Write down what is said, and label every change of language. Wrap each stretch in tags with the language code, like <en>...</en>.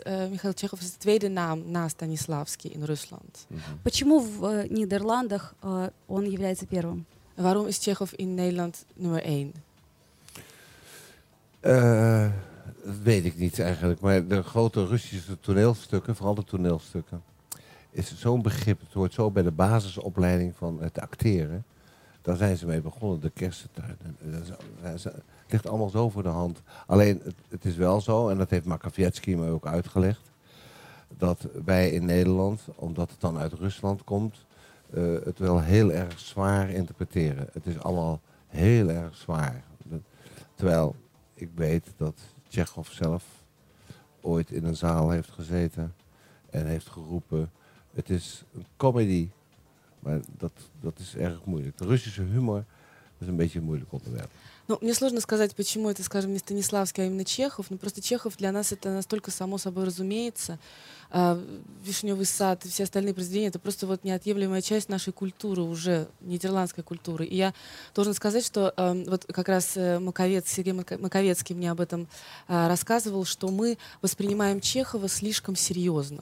<nl>Михаил Чехов is de tweede naam na Станиславский in Rusland.</nl> <ru>Почему в Нидерландах он является первым?</ru> <nl>Waarom is Чехов in Nederland nummer 1? Dat weet ik niet eigenlijk, maar de grote Russische toneelstukken, vooral de toneelstukken, is zo'n begrip, het hoort zo bij de basisopleiding van het acteren. Daar zijn ze mee begonnen, de kersentuin. Het ligt allemaal zo voor de hand. Alleen, het is wel zo, en dat heeft Makovetsky me ook uitgelegd, dat wij in Nederland, omdat het dan uit Rusland komt, het wel heel erg zwaar interpreteren. Het is allemaal heel erg zwaar. Terwijl ik weet dat Tsjechov zelf ooit in een zaal heeft gezeten en heeft geroepen, het is een comedy, maar dat is erg moeilijk. De Russische humor is een beetje een moeilijk onderwerp.</nl> <ru>Ну, мне сложно сказать, почему это, скажем, не Станиславский, а именно Чехов. Но просто Чехов для нас это настолько само собой разумеется. «Вишневый сад» и все остальные произведения — это просто вот неотъемлемая часть нашей культуры уже, нидерландской культуры. И я должен сказать, что вот как раз Сергей Маковецкий мне об этом рассказывал, что мы воспринимаем Чехова слишком серьезно.</ru>